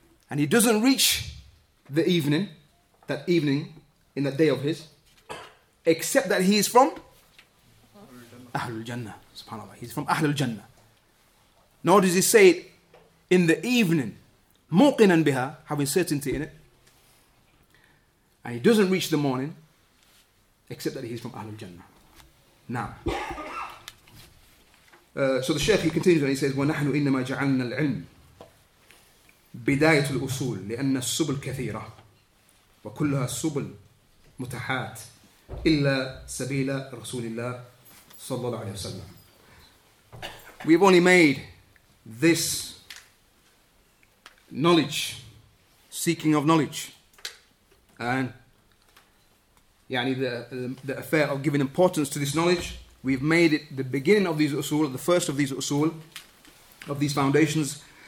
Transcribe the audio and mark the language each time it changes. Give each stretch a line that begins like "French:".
English: And he doesn't reach the evening, that evening, in that day of his, except that he is from Ahlul Jannah. SubhanAllah. He's from Ahlul Jannah. Nor does he say it in the evening, muqinan biha, having certainty in it. And he doesn't reach the morning, except that he's from Ahlul Jannah. Now. So the Shaykh, he continues and he says,
Arabic: وَنَحْنُ إِنَّمَا جَعَلْنَا الْعِلْمِ بداية الأصول لأن السبل كثيرة وكلها سبل متحات إلا سبيل رسول الله صلى الله عليه وسلم.
English: We've only made this knowledge, seeking of knowledge, and
Arabic: يعني
English: the affair of giving importance to this knowledge, we've made it the beginning of these
Arabic: أصول,
English: the first of these أصول, of these foundations.